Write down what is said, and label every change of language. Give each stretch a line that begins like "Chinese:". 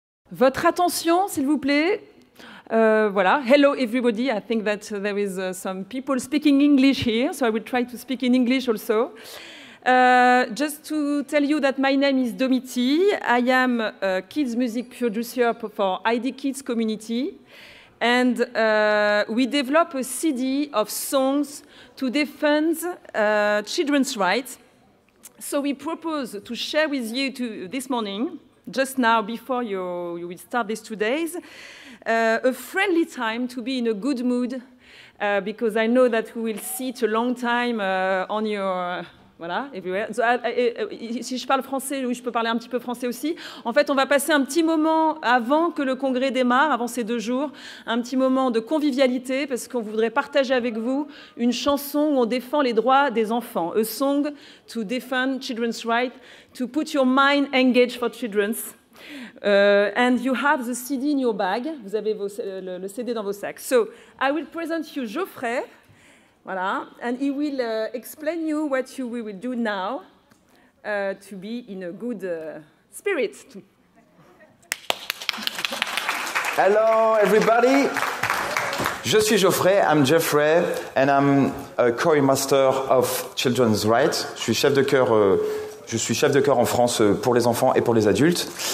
French: Votre attention, s'il vous plaît.
English: Voilà. Hello, everybody. I think that there is some people speaking English here, so I will try to speak in English also. Just to tell you that my name is Domiti. I am a kids music producer for ID Kids Community. And we develop a CD of songs to defend children's rights. So we propose to share with you this morning, just now, before you will start these 2 days, a friendly time to be in a good mood, because I know that we will sit a long time on your... Voilà, everywhere.
French: So, si je parle français, oui, je peux parler un petit peu français aussi. En fait, on va passer un petit moment avant que le congrès démarre, avant ces 2 jours, un petit moment de convivialité, parce qu'on voudrait partager avec vous une chanson où on défend les droits des enfants.
English: A song to defend children's rights, to put your mind engaged for children's. And you have the CD in your bag.
French: Vous avez le CD dans vos sacs.
English: So, I will present you Geoffrey. Voilà, and he will explain you what we will do now to be in a good spirit. Hello, everybody.
French: Je suis Geoffrey.
English: I'm Geoffrey, and I'm a choir master of children's rights.
French: Je suis chef de chœur. Je suis chef de chœur en France pour les enfants et pour les adultes.